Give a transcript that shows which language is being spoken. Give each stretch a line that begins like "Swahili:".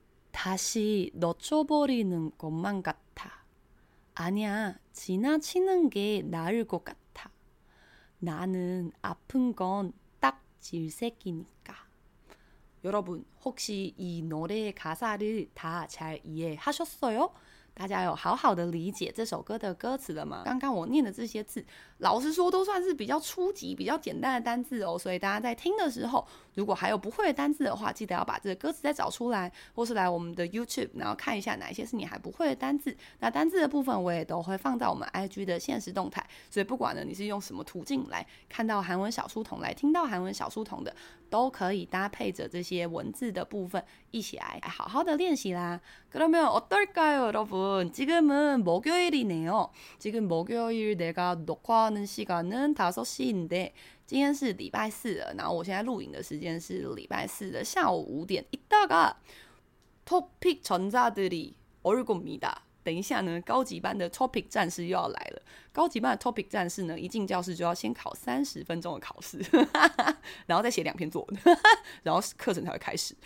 Korean: 다시 놓쳐버리는 것만 같아 아니야 지나치는 게 나을 것 같아 나는 아픈 건 딱 질색이니까 여러분 혹시 이 노래의 가사를 다 잘 이해하셨어요?
Chinese: 大家有好好的理解这首歌的歌词了吗？刚刚我念的这些字，老实说都算是比较初级、比较简单的单字哦。所以大家在听的时候，如果还有不会的单字的话，记得要把这个歌词再找出来， 或是来我们的YouTube，然后看一下哪些是你还不会的单字。那单字的部分我也都会放在我们IG的现实动态， 所以不管呢你是用什么途径来看到韩文小书童，来听到韩文小书童的， 都可以搭配着这些文字的部分一起来好好的练习啦。
Korean: 그러면 어떨까요, 여러분? 지금은 목요일이네요. 지금 목요일 내가 녹화하는 시간은 5시인데
Chinese: 今天是礼拜四了，然后我现在录影的时间是礼拜四的下午五点。
Korean: 이따가토픽전자들이오르고미다，
Chinese: 等一下呢，高级班的 topic 战士又要来了。高级班的 topic 战士呢，一进教室就要先考30分钟的考试，然后再写两篇作文，然后课程才会开始。